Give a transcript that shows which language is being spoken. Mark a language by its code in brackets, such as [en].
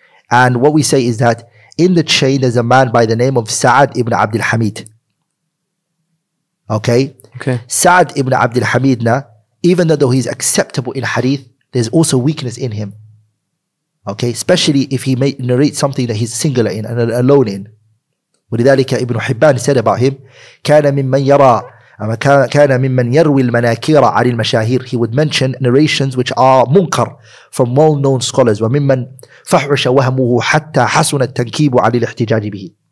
[en] And what we say is that in the chain there's a man by the name of Sa'ad ibn Abdul Hamid. Okay? Okay. Sa'ad ibn Abdul Hamid, even though he's acceptable in hadith, there's also weakness in him. Okay? Especially if he may narrate something that he's singular in and alone in. [ar] ولذلك Ibn Hibban [en] said about him, [ar] كَانَ مِمَّنْ يَرَى كان ممن يروي المناكير عن المشاهير. [en] He would mention narrations which are munkar from well-known scholars. [ar] وممن فحش وهمه حتى حسن التنكيب على الاحتجاج به.